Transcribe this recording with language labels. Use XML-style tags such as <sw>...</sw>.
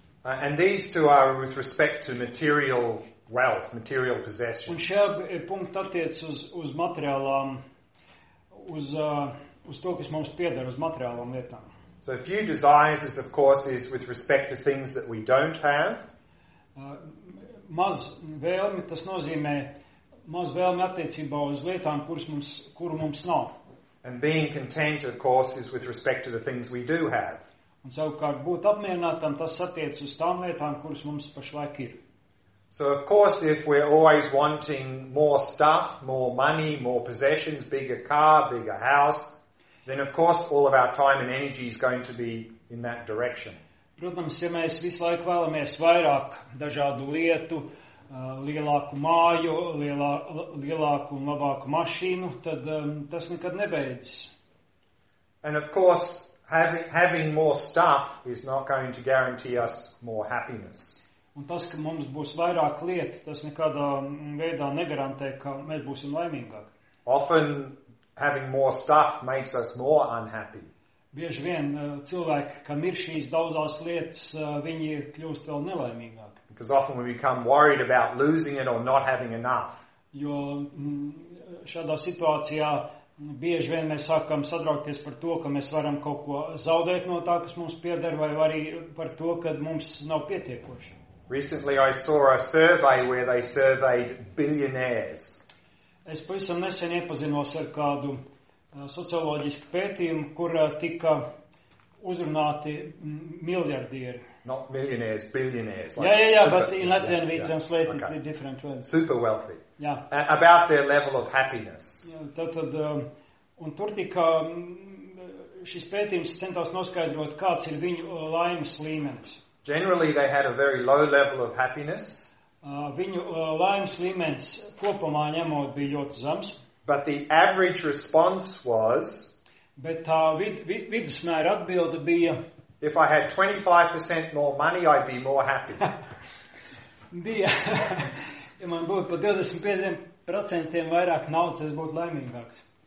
<en>And these two are with respect to material wealth, material possessions.</en> <lv>Un šajā punktā attiec uz materiālām, uz to, kas mums pieder, uz materiālām lietām.</lv> <en>So a few desires is, of course, is with respect to things that we don't have.</en> <lv>Maz vēlmi, tas nozīmē maz vēlmi attiecībā uz lietām, kuru mums nav.</lv> <en>And being content, of course, is with respect to the things we do have.</en> <lv>Un savukārt būt apmierinātam, tas attiec uz tām lietām, kuras mums pašlaik ir.</lv> <en>So, of course, if we're always wanting more stuff, more money, more possessions, bigger car, bigger house, then, of course, all of our time and energy is going to be in that direction.</en> <lv>Protams, ja mēs visu laiku vēlamies vairāk dažādu lietu, lielāku māju, lielāku un labāku mašīnu, tad tas nekad nebeidzas.</lv> <en>And, of course, having more stuff is not going to guarantee us more happiness.</en> <lv>Un tas, ka mums būs vairāk lietu, tas nekādā veidā negarantē, ka mēs būsim laimīgāki.</lv> <en>Often having more stuff makes us more unhappy.</en> <lv>Bieži vien cilvēki, kam ir šīs daudzās lietas, viņi kļūst vēl nelaimīgāki.</lv> <en>Because often we become worried about losing it or not having enough.</en> <lv>Jo šādā situācijā bieži vien mēs sākam sadraukties par to, ka mēs varam kaut ko zaudēt no tā, kas mums pieder, vai arī par to, ka mums nav pietiekoši.</lv> <en>Recently I saw a survey where they surveyed billionaires.</en> <lv>Es pavisam nesen iepazinos ar kādu socioloģisku pētījumu, kur tika uzrunāti miljardieri.</lv> <en>Not millionaires, billionaires. Like yeah, super, but in Latvian we translate it in different ways. Super wealthy. Yeah. About their level of happiness.</en> <lv>Tātad, un tur tika šis pētījums centās noskaidrot, kāds ir viņu laimes līmenis.</lv> <en>Generally, they had a very low level of happiness.</en> <lv>Viņu laimes līmenis kopumā ņemot bija ļoti zems.</lv> <en>But the average response was,</en> <lv>bet tā vidusmēra atbilde bija,</lv> <en>if I had 25% more money, I'd be more happy.</en> <lv>Bija, ja man būtu pa 25% vairāk naudas, es būtu laimīgāks.</lv>